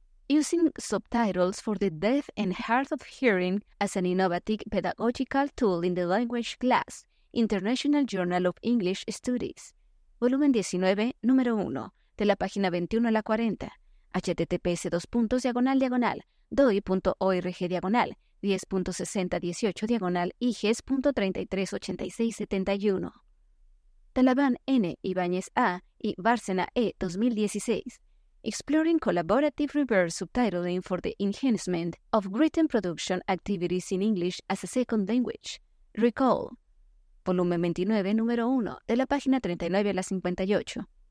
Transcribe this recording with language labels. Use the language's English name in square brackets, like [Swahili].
[English] using subtitles for the deaf and hard of hearing as an innovative pedagogical tool in the language class, International Journal of English Studies. [Spanish] Volumen 19, número 1, de la página 21 a la 40. https://doi.oirg/10.6018/iges.338671. Talaban N. Ibáñez A. y Bárcena E. 2016. [English] Exploring Collaborative Reverse Subtitling for the Enhancement of Written Production Activities in English as a Second Language. Recall. [Spanish] Volumen 29, número 1, de la página 39 a la 58.